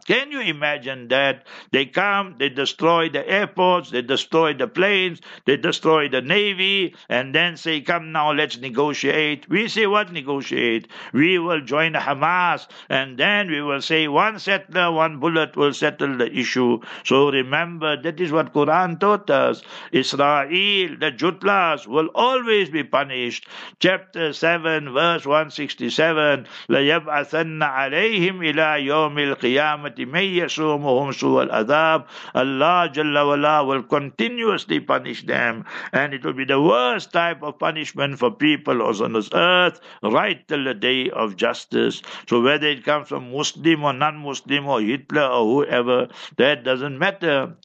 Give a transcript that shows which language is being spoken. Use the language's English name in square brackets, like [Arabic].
[English] Can you imagine that? They come, they destroy the airports, they destroy the planes, they destroy the navy, and then say, come now, let's negotiate. We say, what negotiate? We will join Hamas, and then we will say, one settler, one bullet will settle the issue. So remember, that is what Quran taught us. Israel, the Jutlas, will always be punished. Chapter 7, verse 167, [Arabic] لَيَبْعَثَنَّ عَلَيْهِمْ إِلَىٰ يَوْمِ الْقِيَامَةِ مَنْ يَسُومُهُمْ سُوَ الْعَذَابِ. [English] Allah Jalla Wala will continuously punish them, and it will be the worst type of punishment for people on this earth right till the day of justice. So whether it comes from Muslim or non-Muslim or Hitler or whoever, that doesn't matter.